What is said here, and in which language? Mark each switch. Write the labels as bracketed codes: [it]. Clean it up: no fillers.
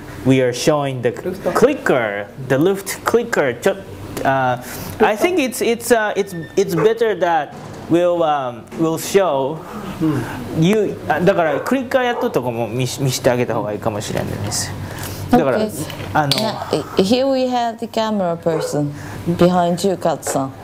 [en] We are showing the clicker, the lift clicker. I think it's better that we'll show you. [ja] だからクリッカーやっとるとこも見してあげた方がいいかもしれないです。 [en] Okay. Now, here we have the camera person behind you, Katsu-san.